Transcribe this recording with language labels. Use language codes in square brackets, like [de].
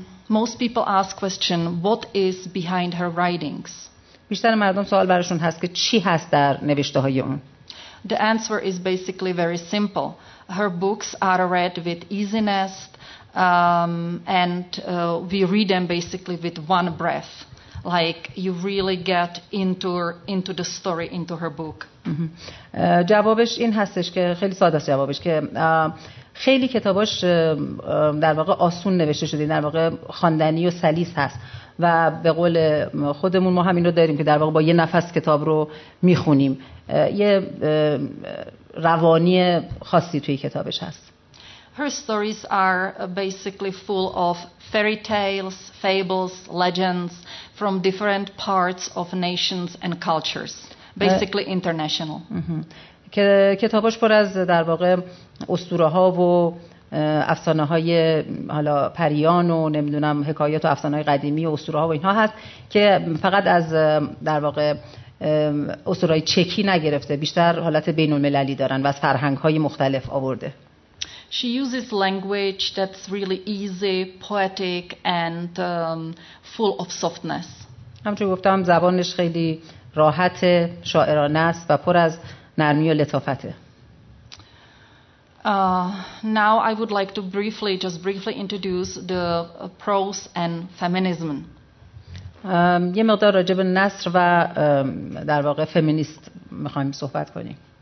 [en] Most people ask question, what is behind her writings? [fa] بیشتر مردم سوال براشون هست که چی هست در نوشته‌های اون؟ [en] The answer is basically very simple. Her books are read with easiness, and we read them basically with one breath. Like you really get into the story, into her book. [fa] جوابش این هستش که خیلی ساده است جوابش که خیلی کتاباش در واقع آسون نوشته شده، در واقع خواندنی و سلیس هست و به قول خودمون ما هم این رو داریم که در واقع با یه نفس کتاب رو میخونیم. یه روانی خاصی توی کتابش هست. [en] Her stories are basically full of fairy tales, fables, legends from different parts of nations and cultures. Basically international. [fa] کتاباش پر از در واقع اسطوره ها و افسانه های حالا پریان و نمیدونم حکایات و افسانه های قدیمی و اسطوره ها و اینها هست که فقط از در واقع اسطوره های چکی نگرفته، بیشتر حالت بین المللی دارن و از فرهنگ های مختلف آورده. [en] She uses language that's really easy, poetic and full of softness. [fa] همچنین گفتم زبانش خیلی راحت، شاعرانه است و پر از نرمی و لطافته. [en] Now I would like to briefly introduce the prose and feminism. [fa] یه مقدار راجع به نثر و در واقع فمینیست می‌خوایم صحبت کنیم.